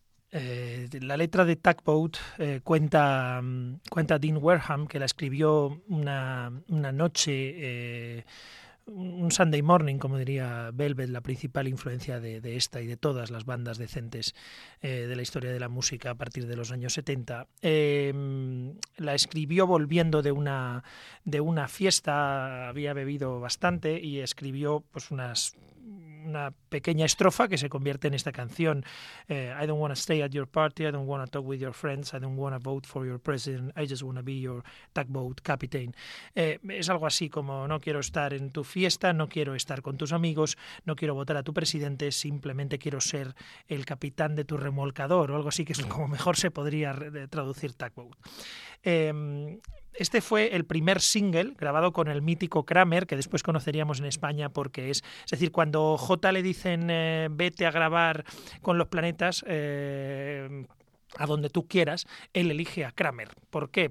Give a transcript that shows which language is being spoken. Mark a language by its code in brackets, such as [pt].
[es] la letra de Tugboat cuenta Dean Wareham, que la escribió una noche, un [en] Sunday morning, [es] como diría Velvet, la principal influencia de esta y de todas las bandas decentes de la historia de la música a partir de los años 70. La escribió volviendo de una fiesta, había bebido bastante y escribió pues una pequeña estrofa que se convierte en esta canción. [en] I don't want to stay at your party, I don't want to talk with your friends, I don't want to vote for your president, I just want to be your tugboat captain. [es] Es algo así como: no quiero estar en tu fiesta, no quiero estar con tus amigos, no quiero votar a tu presidente, simplemente quiero ser el capitán de tu remolcador, o algo así, que es como mejor se podría traducir tugboat. Este fue el primer single grabado con el mítico Kramer, que después conoceríamos en España porque es decir, cuando J le dicen vete a grabar con los planetas a donde tú quieras, él elige a Kramer. ¿Por qué?